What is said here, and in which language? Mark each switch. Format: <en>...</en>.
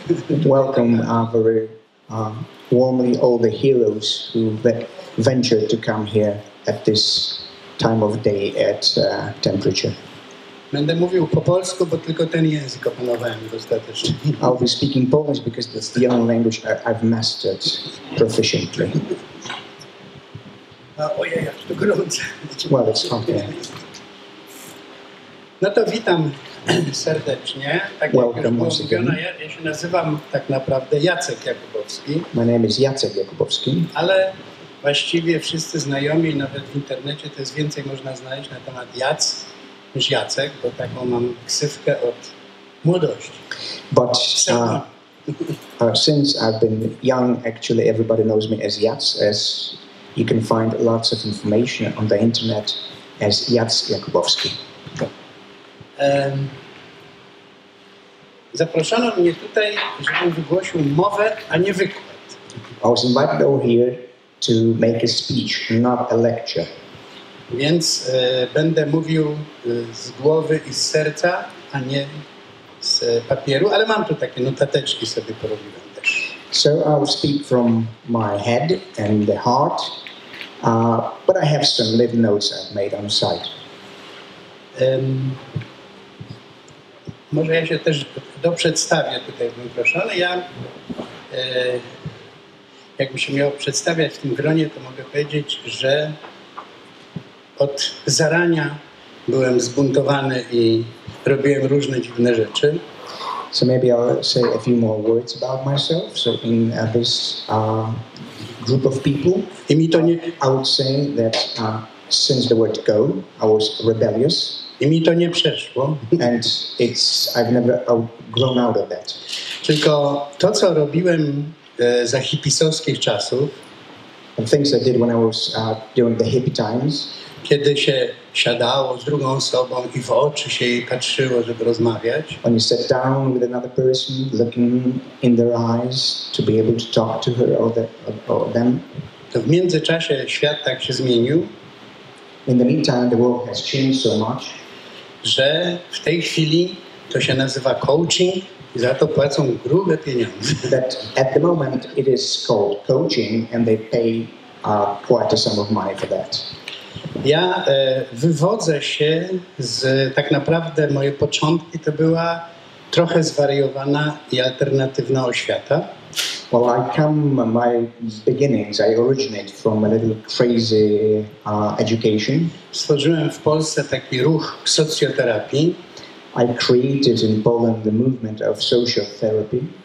<en>Welcome our very warmly all the heroes who ventured to come here at this time of day at temperature.</en> <pl>Będę mówił po polsku, bo tylko ten język opanowałem dostatecznie.</pl> <en>I'll be speaking Polish because that's the only language I've mastered proficiently.</en> <pl>Ojej, jak to gorące.</pl> <en>Well, it's hot.</en> <pl>No to witam serdecznie. Tak jak</pl> <en>welcome</en> <pl>już mówiono, ja się nazywam tak naprawdę Jacek Jakubowski.</pl> <en>My name is Jacek Jakubowski.</en> <pl>Ale właściwie wszyscy znajomi, nawet w internecie, to jest więcej można znaleźć na temat niż Jacek, bo taką mam ksywkę od młodości.</pl> <en>But since I've been young, actually everybody knows me as Jac, as you can find lots of information on the internet as Jac Jakubowski.</en> <pl>Zaproszono mnie tutaj, żebym wygłosił mowę, a nie wykład.</pl> <en>I was invited over here to make a speech, not a lecture.</en> <pl>Więc będę mówił z głowy i z serca, a nie z papieru, ale mam tu takie notateczki sobie porobiłem też.</pl> <en>So I will speak from my head and the heart, but I have some little notes I've made on site.</en> <pl>Może ja się też doprzedstawię tutaj, bym proszony. Ja, jakbym się miał przedstawiać w tym gronie, to mogę powiedzieć, że od zarania byłem zbuntowany i robiłem różne dziwne rzeczy.</pl> <en>So maybe I'll say a few more words about myself. So in this group of people,</en> <pl>I mi to nie...</pl> <en>I would say that since the word go, I was rebellious.</en> <pl>I mi to nie przeszło.</pl> <en>And it's I've never grown out of that.</en> <pl>Tylko to, co robiłem za hipisowskich czasów,</pl> <en>and things I did when I was during the hippie times,</en> <pl>kiedy się siadało z drugą osobą i w oczy się jej patrzyło, żeby rozmawiać.</pl> <en>When you sat down with another person, looking in their eyes to be able to talk to her or them.</en> <pl>To w międzyczasie świat tak się zmienił.</pl> <en>In the meantime, the world has changed so much,</en> <pl>że w tej chwili to się nazywa coaching i za to płacą grube pieniądze.</pl> <en>That at the moment it is called coaching and they pay quite a sum of money for that.</en> <pl>Ja wywodzę się z, tak naprawdę moje początki to była trochę zwariowana i alternatywna oświata.</pl> <en>Well, I come, my beginnings, I originate from a little crazy education.</en> <pl>Stworzyłem w Polsce taki ruch socjoterapii.</pl> <en>I created in Poland the movement of social therapy.</en>